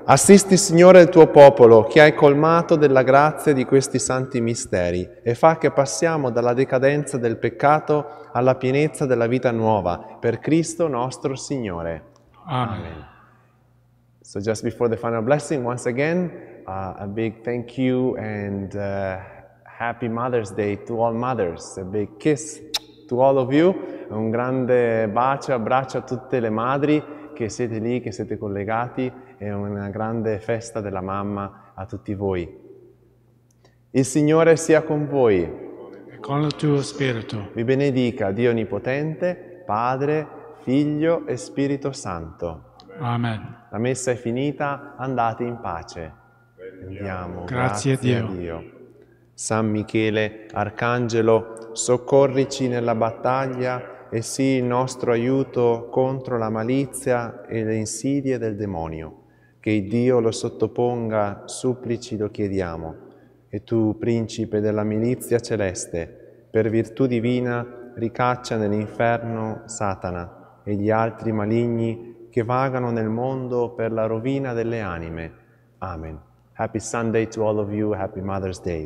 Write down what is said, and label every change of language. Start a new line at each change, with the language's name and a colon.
Italian: Assisti, Signore, il tuo popolo, che hai colmato della grazia di questi santi misteri, e fa che passiamo dalla decadenza del peccato alla pienezza della vita nuova, per Cristo nostro Signore. Amen. Amen.
English: So just before the final blessing, once again, a big thank you and happy Mother's Day to all mothers. A big kiss to all of you.
Italian: Un grande bacio, abbraccio a tutte le madri che siete lì, che siete collegati. È una grande festa della mamma a tutti voi. Il Signore sia con voi. E con il tuo spirito. Vi benedica Dio Onnipotente, Padre, Figlio e Spirito Santo. Amen. La messa è finita, andate in pace. Andiamo. Grazie a Dio. San Michele, Arcangelo, soccorrici nella battaglia e sii il nostro aiuto contro la malizia e le insidie del demonio. Che Dio lo sottoponga, supplici lo chiediamo. E tu, principe della milizia celeste, per virtù divina, ricaccia nell'inferno Satana e gli altri maligni che vagano nel mondo per la rovina delle anime. Amen.
English: Happy Sunday to all of you, happy Mother's Day.